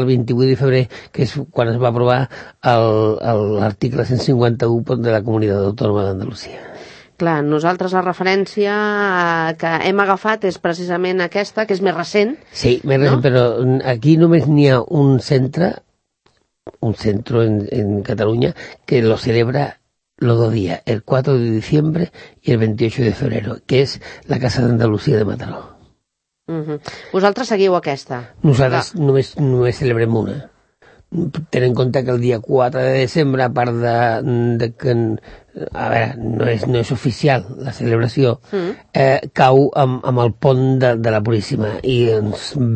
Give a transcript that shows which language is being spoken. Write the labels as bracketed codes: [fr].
[ca] el 28 de febrer, que és quan es va aprovar l'article 151 de la Comunitat Autònoma d'Andalusia. Clar, nosaltres la referència que hem agafat és precisament aquesta, que és més recent. Sí, més recent, no? Però aquí només n'hi ha un centre... [es] un centro en Cataluña que lo celebra los dos días, el 4 de diciembre y el 28 de febrero, que es la Casa de Andalucía de Mataró. [ca] ¿Vosaltres seguiu aquesta? Nosaltres només celebrem una. Ten en compte que el dia 4 de desembre, a part de que, a veure, no és oficial la celebració, cau amb el pont de la Puríssima i ens...